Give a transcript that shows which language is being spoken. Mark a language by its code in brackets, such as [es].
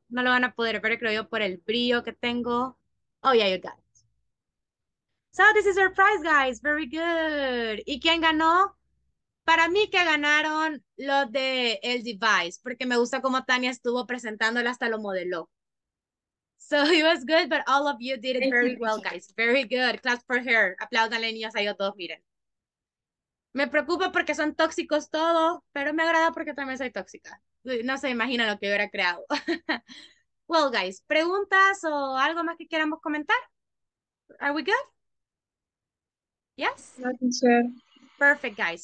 [es] No lo van a poder ver, creo yo, por el brillo que tengo. [en] Oh, yeah, you got it. So this is our prize, guys. Very good. [es] ¿Y quién ganó? Para mí que ganaron los de el device, porque me gusta cómo Tania estuvo presentándolo, hasta lo modeló. [en] So it was good, but all of you did it very well, guys. Very good. Clap for her. [es] Apláudanle, niños, a ellos todos, miren. Me preocupa porque son tóxicos todos, pero me agrada porque también soy tóxica. No se imagina lo que hubiera creado. [en] Well, guys, [es] ¿preguntas o algo más que queramos comentar? [en] Are we good? Yes? Perfect, guys.